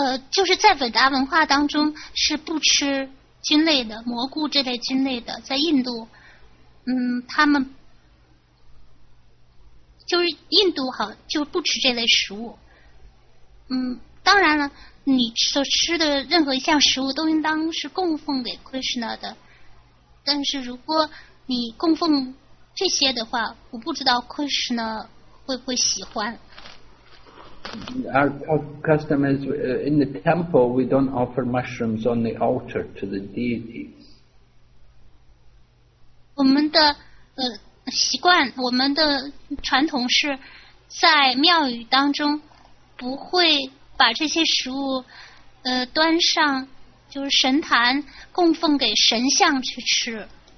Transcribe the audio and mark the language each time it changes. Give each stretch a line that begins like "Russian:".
Chinese: 就是在伟达文化当中是不吃。菌类的蘑菇这类菌类的在印度他们就是印度好就不吃这类食物当然了你所吃的任何一项食物都应当是供奉给 Krishna 的但是如果你供奉这些的话我不知道 Krishna 会不会喜欢
English: Our custom is in the temple we don't offer mushrooms on the altar to the deities.
Chinese: 我们的习惯我们的传统是在庙宇当中不会把这些食物端上就是神坛供奉给神像去吃。